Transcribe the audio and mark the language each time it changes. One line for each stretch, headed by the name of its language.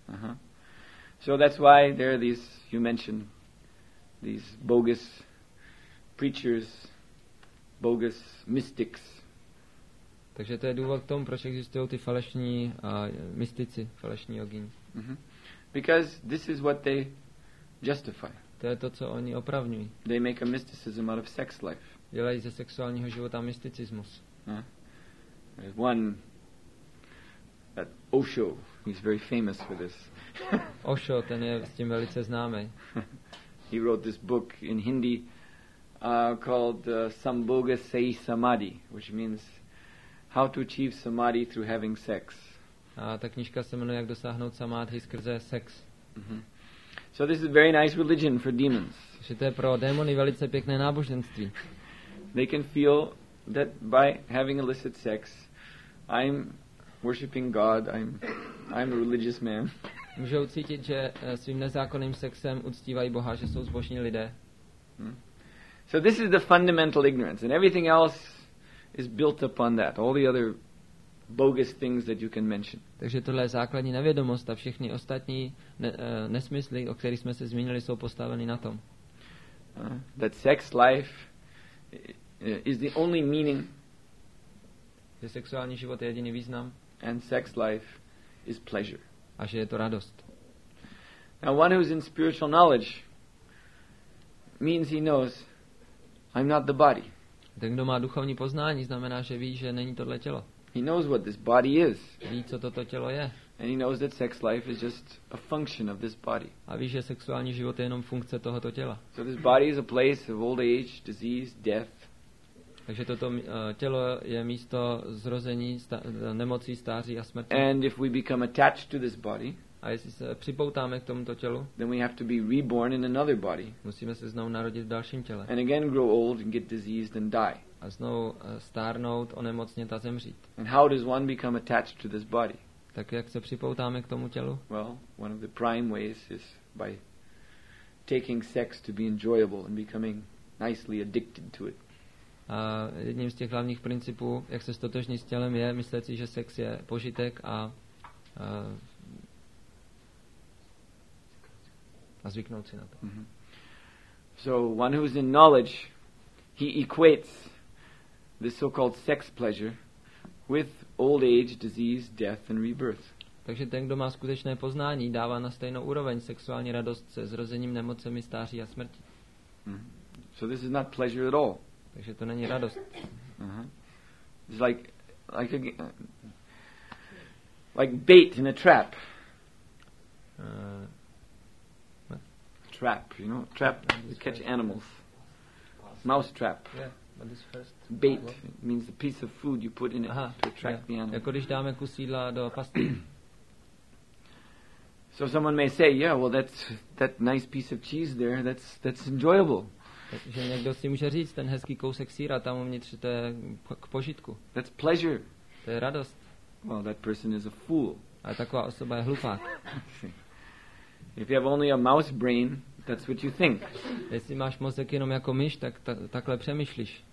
English: Uh-huh. So that's why there are these, you mentioned, these bogus preachers, bogus mystics.
Czech: Takže to je důvod k tomu, proč existují ty falešní mystici, falešní jogíni. Mm-hmm.
English: Because this is what they justify.
Czech: To je to, co oni opravňují.
English: They make a mysticism out of sex life.
Czech: Dělají ze sexuálního života mysticismus.
English: There's one at Osho, he's very famous for this.
Czech: Osho, ten je s tím velice známý.
English: He wrote this book in Hindi called Sambhoga Sai Samadhi, which means how to achieve samadhi through having sex.
Czech: A ta knížka se jmenuje Jak dosáhnout samadhi skrze sex. Mm-hmm.
English: So this is a very nice religion for demons.
Czech: Že to je pro démony velice pěkné náboženství.
English: They can feel that by having illicit sex, I'm worshiping God, I'm a religious man.
Czech: Můžou cítit, že svým nezákonným sexem uctívají Boha, že jsou zbožní lidé.
English: So this is the fundamental ignorance, and everything else is built upon that. All the other bogus things that you can mention.
Czech: Takže tohle je základní nevědomost a všechny ostatní nesmysly, o kterých jsme se zmínili, jsou postaveny na tom.
English: That sex life is the only meaning.
Czech: Že sexuální život je jediný význam.
English: And sex life is pleasure.
Czech: A že je to radost.
English: Now one who is in spiritual knowledge means he knows I'm not the body.
Czech: Ten, kdo má duchovní poznání, znamená, že ví, že není tohle tělo.
English: He knows what this body is.
Czech: Ví, co toto tělo je.
English: And he knows that sex life is just a function of this body.
Czech: A ví, že sexuální život je jenom funkce tohoto těla.
English: So this body is a place of old age, disease, death.
Czech: Takže toto tělo je místo zrození, nemocí, stáří a smrti.
English: And if we become attached to this body,
Czech: a jestli se připoutáme k tomuto tělu,
English: then we have to be reborn in another body.
Czech: Musíme se znovu narodit v dalším těle.
English: And again grow old and get diseased and die.
Czech: A znovu stárnout, onemocnět a zemřít.
English: And how does one become attached to this body?
Czech: Tak jak se připoutáme k tomu tělu?
English: Well, one of the prime ways is by taking sex to be enjoyable and becoming nicely addicted to it.
Czech: A jedním z těch hlavních principů, jak se stotožnit s tělem, je myslet si, že sex je požitek a zvyknout si na to. Mm-hmm.
English: So one who is in knowledge, he equates this so-called sex pleasure with old age, disease, death and rebirth.
Czech: Takže ten, kdo má skutečné poznání, dává na stejnou úroveň sexuální radost se zrozením, nemocemi, stáří a smrti. Mm-hmm.
English: So this is not pleasure at all.
Czech: Takže to není radost.
English: Uh-huh. It's like bait in a trap. Trap, you know, trap to catch animals. Mouse trap. Yeah, but first bait means the piece of food you put in it to attract the animals.
Czech: Jako když dáme kus jídla do pasty.
English: So someone may say, yeah, well that nice piece of cheese there, that's enjoyable.
Czech: Že někdo si může říct, ten hezký kousek sýra tam uvnitř, to je k požitku.
English: That's pleasure.
Czech: To je radost.
English: Well, that person is a fool.
Czech: Ale taková osoba je hlupák.
English: If you have only a mouse brain, that's what you think.
Czech: Jestli máš mozek jenom jako myš, tak takhle přemýšlíš.